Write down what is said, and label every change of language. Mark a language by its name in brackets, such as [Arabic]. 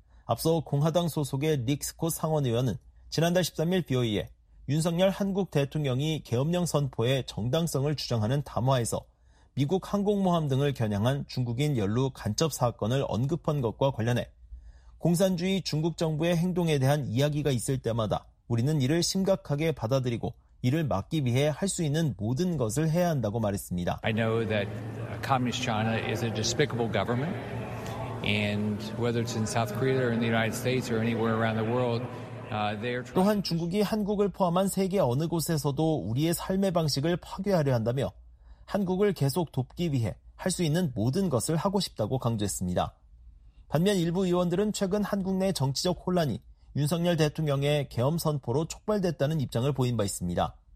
[Korean] 앞서 공화당 소속의 닉 스콧 상원 의원은 지난달 13일 BOE에 윤석열 한국 대통령이 계엄령 선포의 정당성을 주장하는 담화에서 미국 항공모함 등을 겨냥한 중국인 연루 간첩 사건을 언급한 것과 관련해 공산주의 중국 정부의 행동에 대한 이야기가 있을 때마다 우리는 이를 심각하게 받아들이고 이를 막기 위해 할 수 있는 모든 것을 해야 한다고 말했습니다. [English] I know that communist China is a despicable government. And whether it's in South Korea or in the United States or anywhere around the world, [Korean] 또한 중국이 한국을 포함한 세계 어느 곳에서도 우리의 삶의 방식을 파괴하려 한다며 한국을 계속 돕기 위해 할 수 있는 모든 것을 하고 싶다고 강조했습니다. 반면 일부 의원들은 최근 한국 내 정치적 혼란이 윤석열 대통령의 계엄 선포로 촉발됐다는 입장을 보인 바 있습니다.